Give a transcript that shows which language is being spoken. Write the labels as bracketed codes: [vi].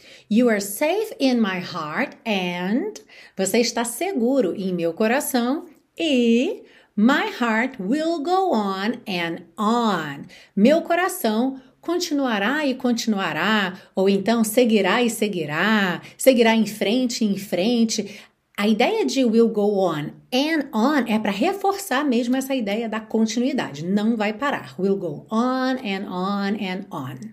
[en] You are safe in my heart and... [pt] Você está seguro em meu coração e... [en] My heart will go on and on. [pt] Meu coração continuará e continuará. Ou então seguirá e seguirá. Seguirá em frente e em frente. A ideia de [en] will go on [pt] é para reforçar mesmo essa ideia da continuidade. Não vai parar. [en] Will go on and on and on.